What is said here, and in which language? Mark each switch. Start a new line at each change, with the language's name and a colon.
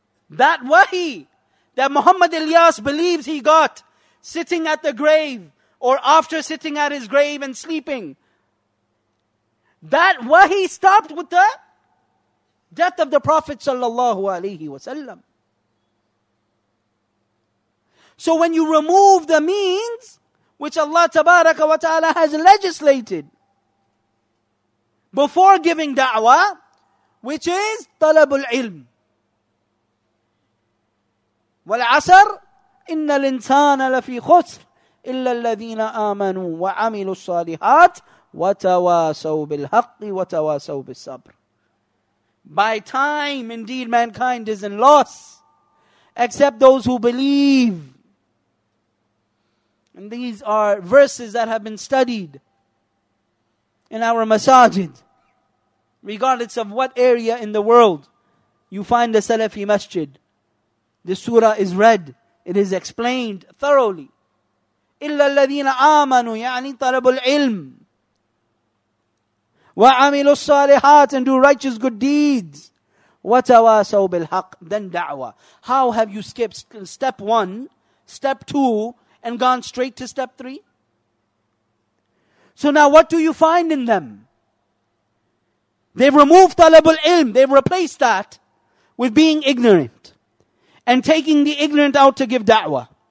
English: That wahi that Muhammad Ilyas believes he got sitting at the grave or after sitting at his grave and sleeping, that wahi stopped with the death of the Prophet sallallahu alayhi wa sallam. So when you remove the means which Allah tabaraka wa ta'ala has legislated before giving da'wah, which is talabul ilm.
Arabic: والعصر إن الإنسان لفي خسر إلا الذين آمنوا وعملوا الصالحات وتواسوا بالحق وتواسوا بالصبر.
English: By time, indeed, mankind is in loss, except those who believe. And these are verses that have been studied in our masajid, regardless of what area in the world you find a Salafi masjid. This surah is read. It is explained thoroughly.
Arabic: إِلَّا الَّذِينَ آمَنُوا يَعْنِي طَلَبُ الْعِلْمِ وَعَمِلُوا الصَّالِحَاتِ
English: and do righteous good deeds.
Arabic: وَتَوَاسَوْا بِالْحَقِّ
English: then da'wah. How have you skipped step one, step two, and gone straight to step three? So now what do you find in them? They've removed
Arabic: طَلَبُ الْعِلْمِ.
English: They've replaced that with being ignorant and taking the ignorant out to give da'wah.